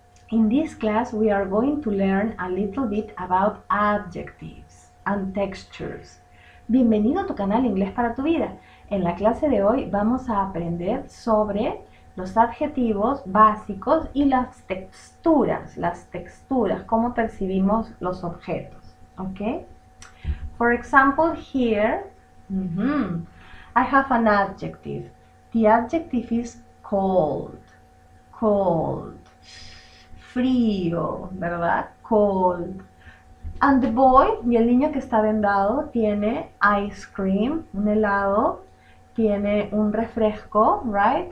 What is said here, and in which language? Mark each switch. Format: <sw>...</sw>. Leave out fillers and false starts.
<en>In this class, we are going to learn a little bit about adjectives and textures.</en> <es>Bienvenido a tu canal Inglés para tu vida. En la clase de hoy vamos a aprender sobre los adjetivos básicos y las texturas, cómo percibimos los objetos.</es> <en>Okay? For example, here, I have an adjective. The adjective is cold, cold,</en> <es>frío, ¿verdad?</es> <en>Cold. And the boy,</en> <es>y el niño que está vendado, tiene ice cream, un helado, tiene un refresco,</es> <en>right?</en>